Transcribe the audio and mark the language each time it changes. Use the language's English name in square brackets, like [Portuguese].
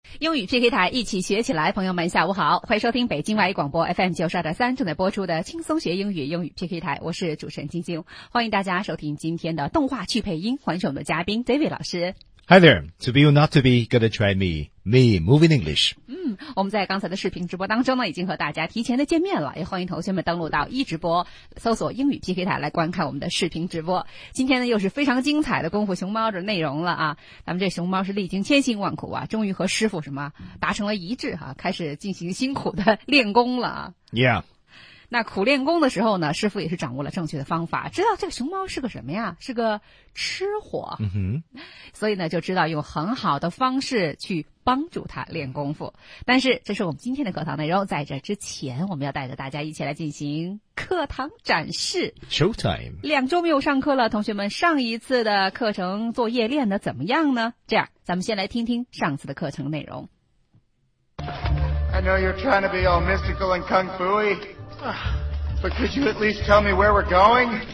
[Chinese] 英语 PK 台一起学起来，朋友们下午好，欢迎收听北京外语广播 FM92.3 正在播出的轻松学英语英语 PK 台，我是主持人晶晶，欢迎大家收听今天的动画去配音，欢迎我们的嘉宾 David 老师。 [English] Hi there, to be or not to be, gonna try me, me, moving English. [Chinese] 嗯，我们在刚才的视频直播当中呢，已经和大家提前的见面了，也欢迎同学们登录到一直播，搜索英语 PK 台来观看我们的视频直播。今天呢，又是非常精彩的功夫熊猫的内容了啊！咱们这熊猫是历经千辛万苦啊，终于和师傅什么达成了一致啊，开始进行辛苦的练功了啊。 [English] Yeah. [Chinese] 那苦练功的时候呢，师傅也是掌握了正确的方法，知道这个熊猫是个什么呀？是个吃货。嗯哼。所以呢，就知道用很好的方式去帮助他练功夫。但是这是我们今天的课堂内容，在这之前我们要带着大家一起来进行课堂展示。 [English] Showtime。 [Chinese] 两周没有上课了，同学们上一次的课程作业练得怎么样呢？这样咱们先来听听上次的课程内容。 [English] I know you're trying to be all mystical and kung fu-y, but could you at least tell me where we're going?